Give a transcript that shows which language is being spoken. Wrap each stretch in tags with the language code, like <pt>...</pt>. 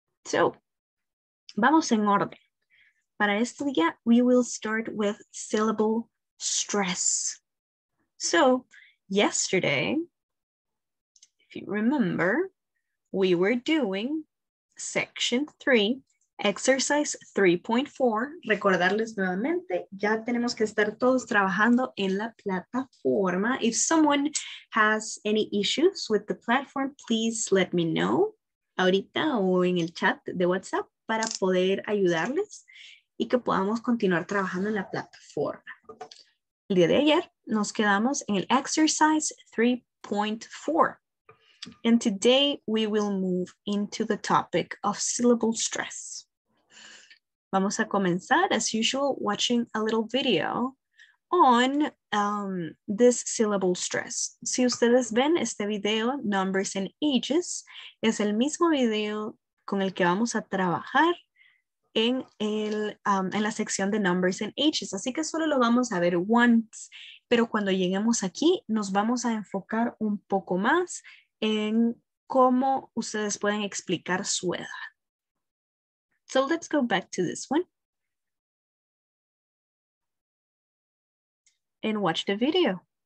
<es>So, vamos en orden. Para este día,</es> <en>we will start with syllable stress. So yesterday, if you remember, we were doing section 3, exercise 3.4.</en> <es>Recordarles nuevamente, ya tenemos que estar todos trabajando en la plataforma.</es> <en>If someone has any issues with the platform, please let me know</en> <es>ahorita o en el chat de WhatsApp para poder ayudarles y que podamos continuar trabajando en la plataforma. El día de ayer nos quedamos en el exercise 3.4.</es> <en>And today we will move into the topic of syllable stress.</en> <es>Vamos a comenzar,</es> <en>as usual,</en> <es>watching a little video on this syllable stress. Si ustedes ven este video, Numbers and Ages, es el mismo video con el que vamos a trabajar en, el, en la sección de Numbers and Ages. Así que solo lo vamos a ver once, pero cuando lleguemos aquí, nos vamos a enfocar un poco más en cómo ustedes pueden explicar su edad.</es> <en>So let's go back to this one and watch the video.</en>